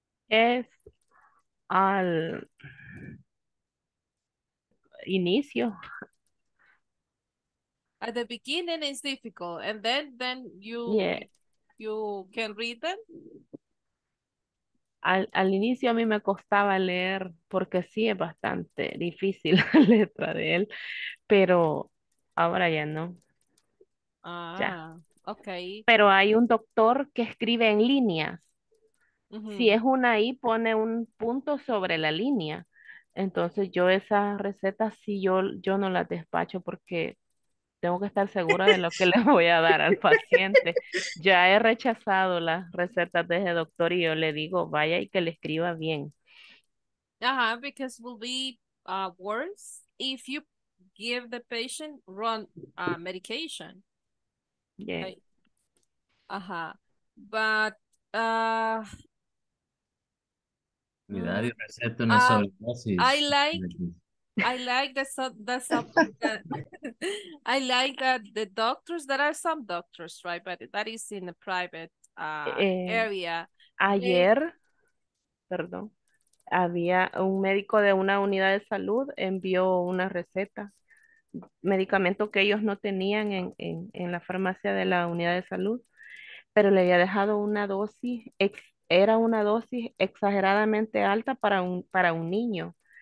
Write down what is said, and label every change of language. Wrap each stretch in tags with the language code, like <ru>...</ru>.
<es>Es al inicio.</es> <en>At the beginning it's difficult, and then you you can read them.</en> <es>Al inicio a mí me costaba leer porque sí es bastante difícil la letra de él, pero ahora ya no. Ah, ya. Okay. Pero hay un doctor que escribe en líneas. Uh-huh. Si es una I, pone un punto sobre la línea. Entonces yo esas recetas sí yo no las despacho porque tengo que estar segura de lo que le voy a dar al paciente. Ya he rechazado las recetas de ese doctor y yo le digo, vaya y que le escriba bien.</es> <en>Uh-huh, because it will be worse if you give the patient wrong medication. Yeah. But</en> <es>cuidado y receta una sobredosis.</es> <en>I like I like that the doctors, there are some doctors, right? But that is in a private area.</en> <es>Ayer, perdón, había un médico de una unidad de salud envió una receta, medicamento que ellos no tenían en la farmacia de la unidad de salud, pero le había dejado una dosis, era una dosis exageradamente alta para un niño.</es>